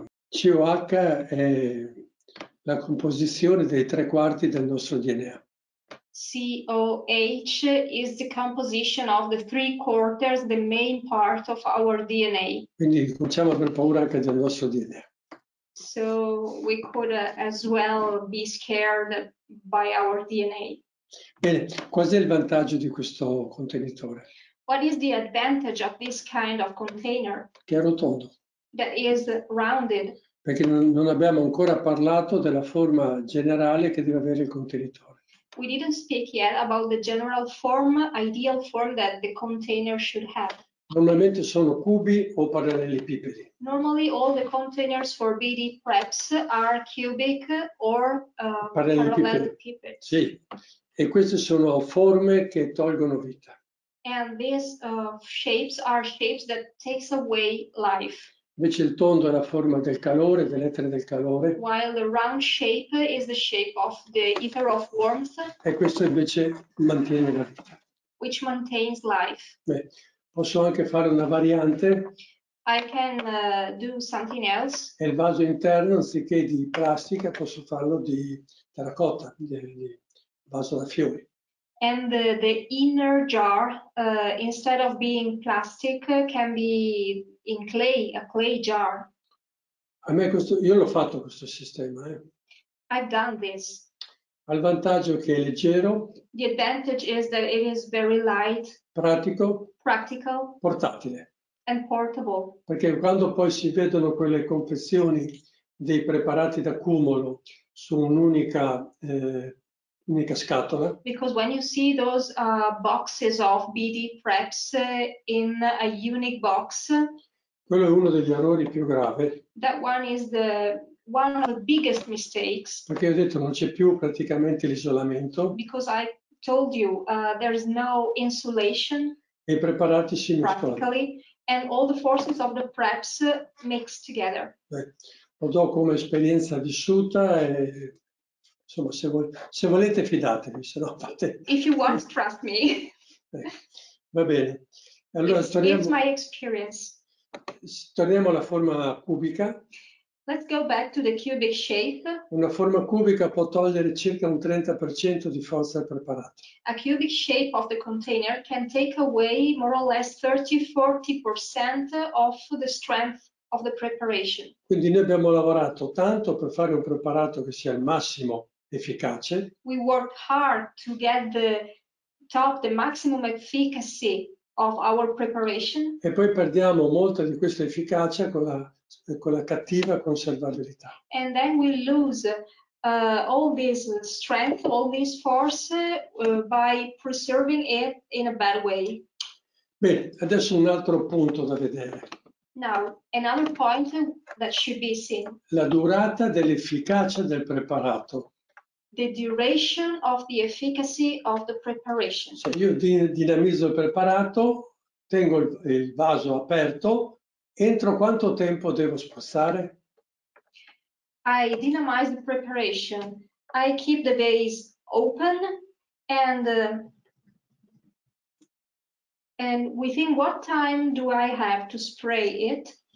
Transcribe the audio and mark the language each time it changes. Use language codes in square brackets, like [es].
[it] CH è la composizione dei tre quarti del nostro DNA. [en] COH is the composition of the three quarters, the main part of our DNA. [it] Quindi cominciamo per paura anche del nostro DNA. [en] So we could as well be scared by our DNA. [it] Bene, qual è il vantaggio di questo contenitore? [en] What is the advantage of this kind of container? [it] Che è rotondo. [en] That is rounded. [it] Perché non abbiamo ancora parlato della forma generale che deve avere il contenitore. [en] We didn't speak yet about the general form, ideal form that the container should have. [it] Normalmente sono cubi o parallelepipedi. [en] Normally all the containers for BD preps are cubic or parallelepiped. [it] Sì, e queste sono forme che tolgono vita. [en] And these shapes are shapes that takes away life. [it] Invece il tondo è la forma del calore, delle lettere del calore. [en] While the round shape is the shape of the ether of warmth. [it] E questo invece mantiene la vita. [en] Which maintains life. [it] Beh, posso anche fare una variante. [en] I can do something else. [it] E il vaso interno, anziché di plastica, posso farlo di terracotta, di vaso da fiori. [en] And the inner jar, instead of being plastic, can be in clay, a clay jar. [it] A me questo, io l'ho fatto questo sistema. [en] I've done this. [it] Ha il vantaggio che è leggero. [en] The advantage is that it is very light. [it] Pratico. [en] Practical. [it] Portatile. [en] And portable. [it] Perché quando poi si vedono quelle confezioni dei preparati da cumulo su un'unica unica scatola. [en] Because when you see those boxes of BD preps in a unique box. [it] Quello è uno degli errori più gravi. [en] That one is the one of the biggest mistakes. [it] Perché ho detto non c'è più praticamente l'isolamento. [en] Because I told you there is no insulation. [it] E preparati si mescolano. [en] And all the forces of the preps mixed together. [it] Beh, lo do come esperienza vissuta e insomma, se volete fidatevi, se no fate. [en] If you want, trust me. [it] Va bene. Allora, [en] it's my experience. [it] Torniamo alla forma cubica. [en] Let's go back to the cubic shape. [it] Una forma cubica può togliere circa un 30% di forza al preparato. [en] A cubic shape of the container can take away more or less 30-40% of the strength of the preparation. [it] Quindi noi abbiamo lavorato tanto per fare un preparato che sia al massimo efficace. [en] We work hard to get the maximum efficacy of our preparation. [it] E poi perdiamo molta di questa efficacia con la cattiva conservabilità. [en] And then we lose all this strength, all this force by preserving it in a bad way. [it] Bene, adesso un altro punto da vedere. [en] Now, another point that should be seen. [it] La durata dell'efficacia del preparato. [en] The duration of the efficacy of the preparation. [it] Se io dinamizzo il preparato, tengo il vaso aperto, entro quanto tempo devo spostare? [en] I dynamize the preparation. I keep the vase open and within what time do I have to spray it?